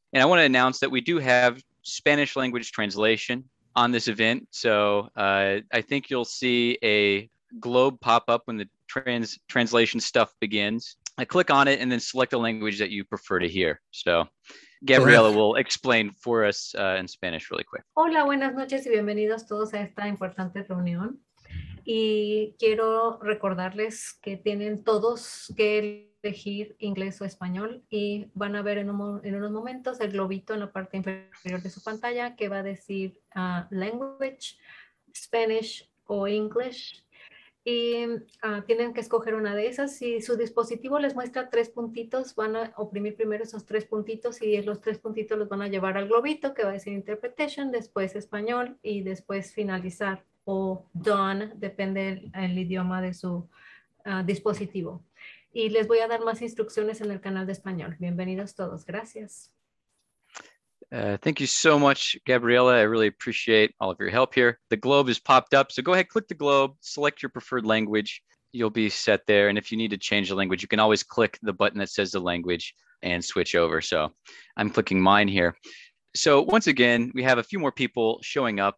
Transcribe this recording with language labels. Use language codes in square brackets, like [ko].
[en] And I want to announce that we do have Spanish language translation on this event. So I think you'll see a globe pop up when the translation stuff begins. I click on it and then select the language that you prefer to hear. So Gabriela will explain for us in Spanish really quick. [es] Hola, buenas noches y bienvenidos todos a esta importante reunión. Y quiero recordarles que tienen todos que elegir inglés o español y van a ver en unos momentos el globito en la parte inferior de su pantalla que va a decir language, Spanish o English. Y tienen que escoger una de esas. Si su dispositivo les muestra tres puntitos, van a oprimir primero esos tres puntitos y los tres puntitos los van a llevar al globito que va a decir interpretation, después español y después finalizar o done, depende el idioma de su dispositivo. Y les voy a dar más instrucciones en el canal de español. Bienvenidos todos. Gracias. [en] Thank you so much, Gabriela. I really appreciate all of your help here. The globe has popped up, so go ahead, click the globe, select your preferred language. You'll be set there. And if you need to change the language, you can always click the button that says the language and switch over. So I'm clicking mine here. So once again, we have a few more people showing up.